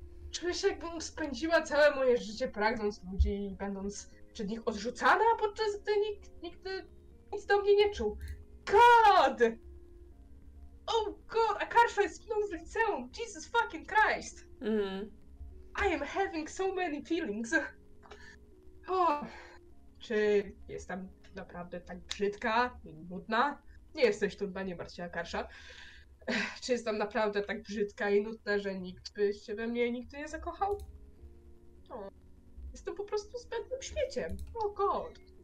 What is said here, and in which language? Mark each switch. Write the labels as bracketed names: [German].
[Polish] Czuję się, jakbym spędziła całe moje życie pragnąc ludzi i będąc przed nich odrzucana, podczas gdy nikt nic do mnie nie czuł. God! [English] Oh god, [Polish] a Karsza jest mną z liceum. [English] Jesus fucking Christ! I am having so many feelings. [Polish] Czy jestem naprawdę tak brzydka i nudna? Nie jesteś tu dla mnie, Marcia Karsza. Czy jestem naprawdę tak brzydka i nudna, że nikt by się we mnie nigdy nie zakochał? O, jestem po prostu zbędnym śmieciem. O god.